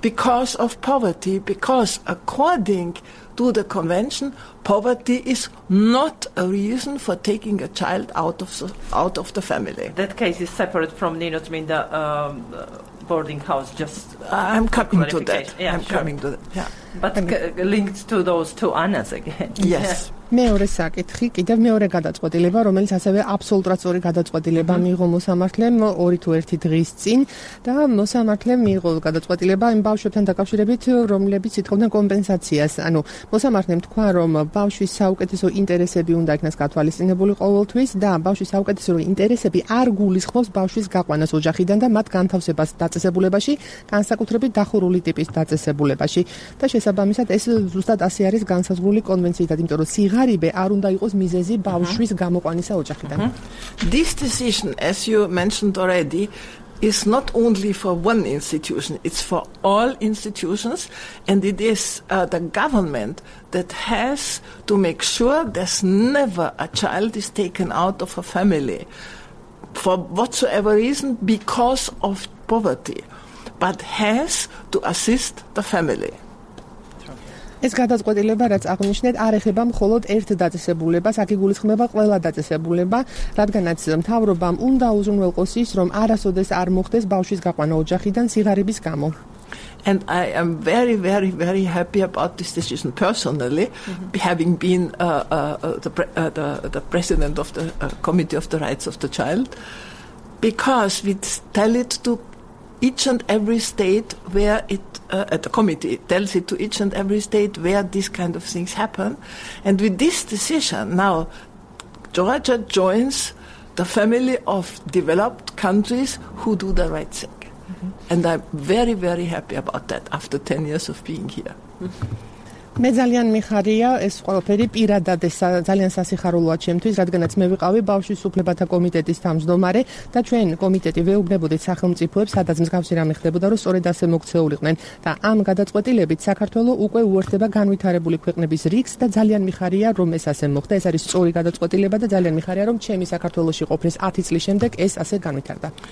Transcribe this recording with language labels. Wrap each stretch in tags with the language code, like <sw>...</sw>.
<en>because of poverty, because according to the convention, poverty is not a reason for taking a child out of the family. That case is separate from Ninot Minda boarding house. Just I'm coming to that. Yeah, I'm sure. coming to that. Yeah. But linked to those two Annas again. Yes.</en> <ka>მეორე საკითხი, კიდევ მეორე გადაწყვეტილება, რომელიც ასევე აბსოლუტურად სწორი გადაწყვეტილება მიიღო მოსამართლემ ორი თუ ერთი დღის წინ და მოსამართლემ მიიღო გადაწყვეტილება იმ ბავშვებთან დაკავშირებით, რომლებიც ითხოვდნენ კომპენსაციას. ანუ მოსამართლემ თქვა, რომ ბავშვის საუკეთესო ინტერესები უნდა იქნას გათვალისწინებული ყოველთვის და ბავშვის საუკეთესო ინტერესები არ გულისხმობს ბავშვის გაყვანას ოჯახიდან და მათ განთავსებას დაწესებულებაში, განსაკუთრებით დახურული ტიპის დაწესებულებაში და შესაბამისად ეს ზუსტად ასე არის განსაზღვრული კონვენციით, იმიტომ რომ ღარიბე არ უნდა იყოს მიზეზი ბავშვის გამოყვანისა ოჯახიდან.</ka> <en>This decision, as you mentioned already, is not only for one institution, it's for all institutions, and it is the government that has to make sure that never a child is taken out of a family for whatsoever reason because of poverty, but has to assist the family.</en> <ka>ეს გადაწყვეტილება, რაც აღნიშნეთ, არ ეხება მხოლოდ ერთ დაწესებულებას, აქ იგულისხმება ყველა დაწესებულება, რადგანაც მთავრობამ უნდა უზრუნველყოს ის, რომ არასოდეს არ მოხდეს ბავშვის გაყვანა ოჯახიდან სიღარიბის გამო.</ka> <en>And I am very, very, very happy about this decision personally, mm-hmm. having been the president of the Committee of the Rights of the Child, because we tell it to each and every state where it at the committee tells it to each and every state where these kind of things happen and with this decision now Georgia joins the family of developed countries who do the right thing mm-hmm. and I'm very very happy about that after 10 years of being here mm-hmm.</en> <ka>მე ძალიან მიხარია ეს ყველაფერი პირადად ეს ძალიან სასიხარულოა ჩემთვის, რადგანაც მე ვიყავი ბავშვის უფლებათა კომიტეტის თავმჯდომარე და ჩვენ კომიტეტი ვეუბნებოდით სახელმწიფოებს, სადაც მსგავსი რამე ხდებოდა, რომ სწორედ ასე მოქცეულიყვნენ და ამ გადაწყვეტილებით საქართველო უკვე უერთდება განვითარებული ქვეყნების რიგს და ძალიან მიხარია, რომ ეს ასე მოხდა, ეს არის სწორი გადაწყვეტილება და ძალიან მიხარია, რომ ჩემი საქართველოში ყოფნის 10 წლის შემდეგ ეს ასე განვითარდა.</ka>